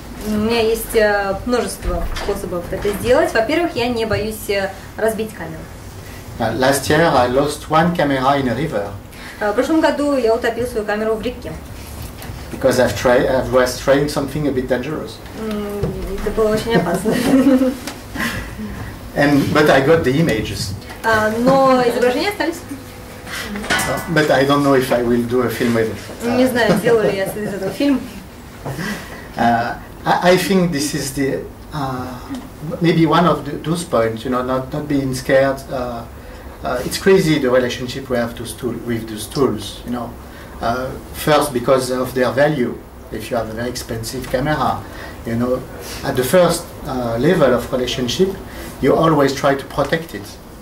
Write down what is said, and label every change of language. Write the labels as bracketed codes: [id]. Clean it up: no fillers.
[ru] У меня есть множество способов это сделать. Во-первых, я не боюсь разбить камеру. [en] Last year I lost one camera in a river. [ru] В прошлом году я утопил свою камеру в реке. [en] Because I was trying something a bit dangerous. [ru] Это было очень опасно. [en] But I got the images. [ru] Но изображения остались. [en] But I don't know if I will do a film with it. [ru] Не знаю, сделаю ли я с этого фильм. [en] I think this is the maybe one of those points. You know, not being scared. It's crazy the relationship we have with those tools. You know. First, because of their value. If you have a very expensive camera, you know, at the first level of relationship, you always try to protect it.